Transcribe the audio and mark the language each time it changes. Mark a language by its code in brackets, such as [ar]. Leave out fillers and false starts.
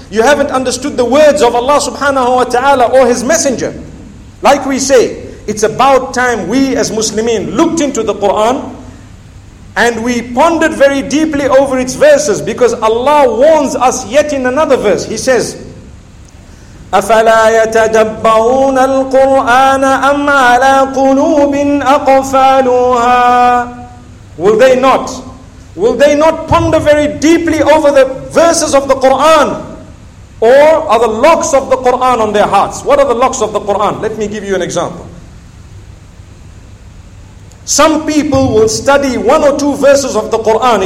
[en] You haven't understood the words of Allah subhanahu wa ta'ala or His Messenger. Like we say, it's about time we as Muslimin looked into the Quran and we pondered very deeply over its verses, because Allah warns us yet in another verse. He says, [ar] أفلا يتدبرون القرآن أم على قلوب أقفالها. [en] Will they not? Will they not ponder very deeply over the verses of the Quran? Or are the locks of the Quran on their hearts? What are the locks of the Quran? Let me give you an example. Some people will study one or two verses of the Quran.